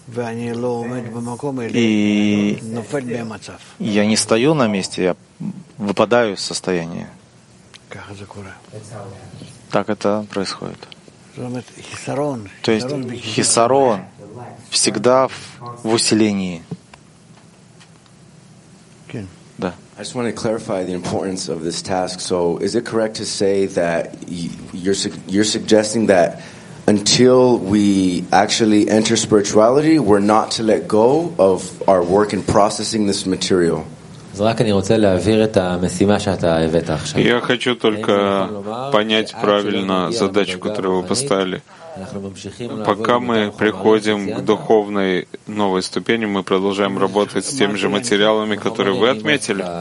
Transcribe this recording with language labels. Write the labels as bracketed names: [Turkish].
[Russian] И я не стою на месте, я выпадаю из состояния. Так это происходит. То есть хиссарон всегда в усилении. Да. [English] I just want to clarify the importance of this task. So, is it correct to say that you're suggesting that until we actually enter spirituality, we're not to let go of our work in processing this material? [Russian] Я хочу только понять правильно задачу, которую вы поставили. Пока мы приходим к духовной новой ступени, мы продолжаем работать с теми же материалами, которые вы отметили.